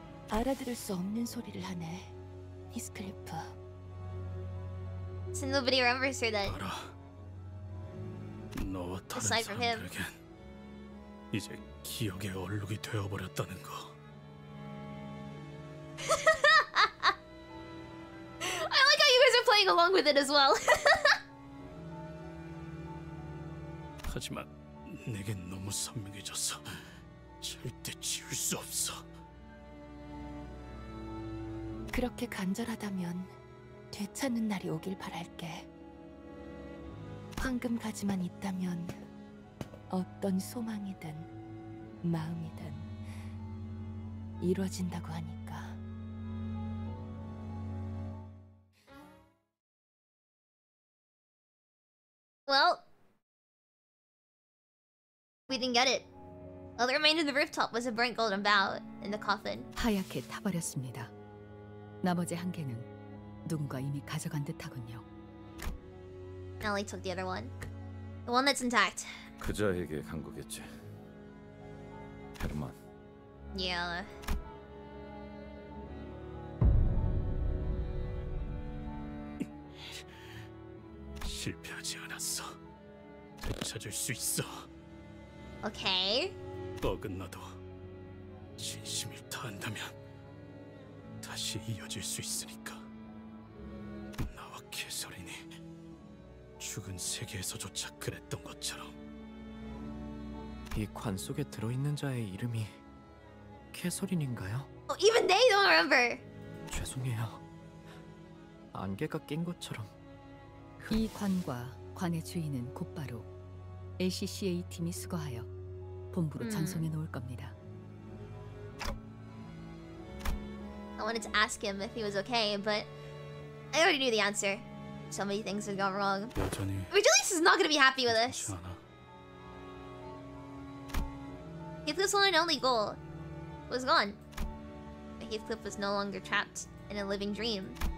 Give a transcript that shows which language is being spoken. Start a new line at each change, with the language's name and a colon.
Korean: 알아들을 수 없는 소리를 하네, 히스클리프.
English: So nobody remembers her then.
Korean: 알아. 너와 다른 사람들에겐 이제 기억의 얼룩이 되어버렸다는 거.
English: I like how you guys are playing along with it as well.
Korean: 하지만 내겐 너무 선명해졌어. 절대 지울 수 없어. 그렇게 간절하다면 되찾는 날이 오길 바랄게. 황금 가지만 있다면 어떤 소망이든 마음이든 이루어진다고 하니까.
English: Well, we didn't get it. All that remained in the rooftop was a burnt golden bough in the coffin.
Korean: 하얗게 타버렸습니다. 나머지 한 개는 누군가 이미 가져간 듯하군요.
English: Nelly took the other one. The one that's intact.
Korean: 그 자에게 간 거겠지. 헤르만.
English: Yeah.
Korean: 실패하지 않았어. 찾을 수 있어.
English: Okay.
Korean: 어긋나도 진심을 다한다면 다시 이어질 수 있으니까. 나와 개설이니 죽은 세계에서조차 그랬던 것처럼. 이 관 속에 들어있는 자의 이름이 개설인인가요?
English: Oh, even they don't remember.
Korean: 죄송해요. 안개가 낀 것처럼. 이 관과 관의 주인은 곧바로 LCCA 팀이 수거하여 본부로 전송해 놓을 겁니다.
English: I wanted to ask him if he was okay, but I already knew the answer. So many things have gone wrong. Regulus is not going to be happy with us. Heathcliff's one and only goal was gone. But Heathcliff was no longer trapped in a living dream.